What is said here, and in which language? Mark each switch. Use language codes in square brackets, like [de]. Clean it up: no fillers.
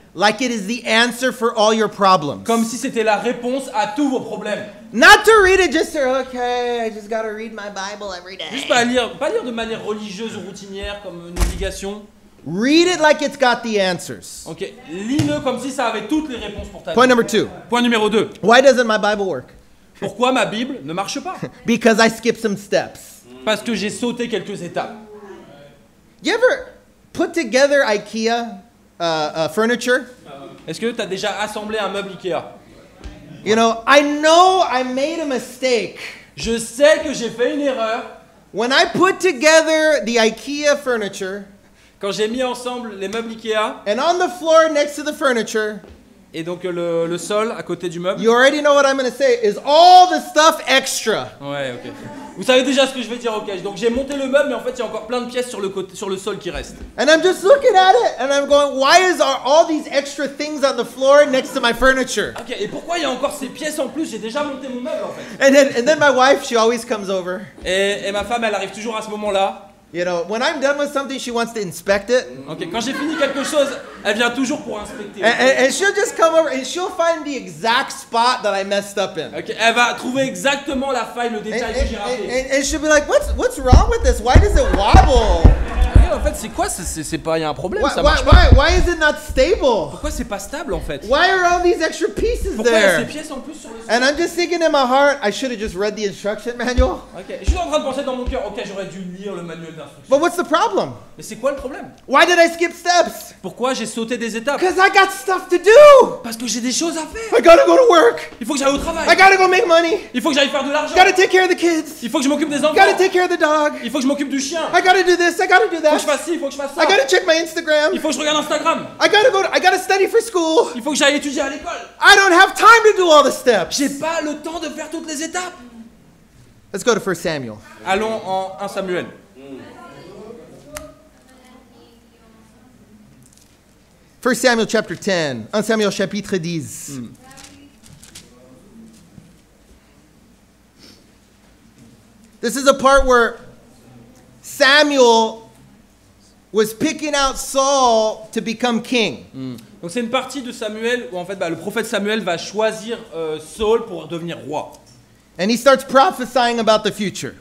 [en] Like it is the answer for all your problems. [fr] Comme si c'était la réponse à tous vos problèmes. [en] Not to read it just to, okay, I just gotta read my Bible every day. [fr] Juste pas lire de manière religieuse ou routinière comme une obligation. [en] Read it like it's got the answers. [fr] Okay, lis-le comme si ça avait toutes les réponses pour ta vie. [en] Point number two. [fr] Point numéro deux. [en] Why doesn't my Bible work? [fr] Pourquoi ma Bible ne marche pas? [en] Because I skipped some steps. [fr] Parce que j'ai sauté quelques étapes. [en] You ever put together IKEA furniture? [fr] Est-ce que tu as déjà assemblé un meuble IKEA? [en] You know, I know I made a mistake. [fr] Je sais que j'ai fait une erreur. [en] When I put together the IKEA furniture, [fr] quand j'ai mis ensemble les meubles IKEA, [en] and on the floor next to the furniture, [fr] Et donc le sol à côté du meuble. [en] You already know what I'm going to say is all the stuff extra. [fr] Ouais, OK. Vous savez déjà ce que je vais dire, OK. Donc j'ai monté le meuble mais en fait il y a encore plein de pièces sur le côté, sur le sol qui reste. [en] And I'm just looking at it and I'm going, why is are all these extra things on the floor next to my furniture? [fr] OK, et pourquoi il y a encore ces pièces en plus? J'ai déjà monté mon meuble en fait. [en] And then my wife, she always comes over. [fr] Et ma femme, elle arrive toujours à ce moment-là. [en] You know, when I'm done with something, she wants to inspect it. [fr] Okay, quand j'ai fini quelque chose, elle vient toujours pour inspecter. [en] And she'll just come over and she'll find the exact spot that I messed up in. [fr] Okay, elle va trouver exactement la faille, le détail que j'ai raté. [en] And she'll be like, what's wrong with this? Why does it wobble? [fr] En fait, c'est quoi? C'est pas, y a un problème, [en] why, [fr] ça marche [en] why, [fr] pas. [en] Why is it not stable? [fr] Pourquoi c'est pas stable en fait? [en] Why are all these extra pieces [fr] pourquoi [en] there? [fr] Pourquoi ces pièces en plus sur le sol? [en] And I'm just thinking in my heart, I should have just read the instruction manual. Okay. [fr] Je suis en train de penser dans mon cœur, OK, j'aurais dû lire le manuel d'instruction. [en] But what's the problem? [fr] Mais c'est quoi le problème? [en] Why did I skip steps? [fr] Pourquoi j'ai sauté des étapes? [en] Because I got stuff to do. [fr] Parce que j'ai des choses à faire. [en] I gotta go to work. [fr] Il faut que j'aille au travail. [en] I gotta go make money. [fr] Il faut que j'aille faire de l'argent. [en] I gotta take care of the kids. [fr] Il faut que je m'occupe des enfants. [en] I gotta take care of the dog. [fr] Il faut que je m'occupe du chien. [en] I gotta do this. I gotta do that. [fr] Il faut que je fasse ci, il faut que je fasse ça. [en] I gotta check my Instagram. [fr] Il faut que je regarde Instagram. [en] I gotta study for school. [fr] Il faut que j'aille étudier à l'école. [en] I don't have time to do all the steps. [fr] J'ai pas le temps de faire toutes les étapes. [en] Let's go to 1 Samuel. [fr] Allons en 1 Samuel. [en] First Samuel chapter 10. [fr] 1 Samuel chapitre 10. [en] This is a part where Samuel was picking out Saul to become king. [fr] Donc c'est une partie de Samuel où en fait le prophète Samuel va choisir Saul pour devenir roi. [en] And he starts prophesying about the future.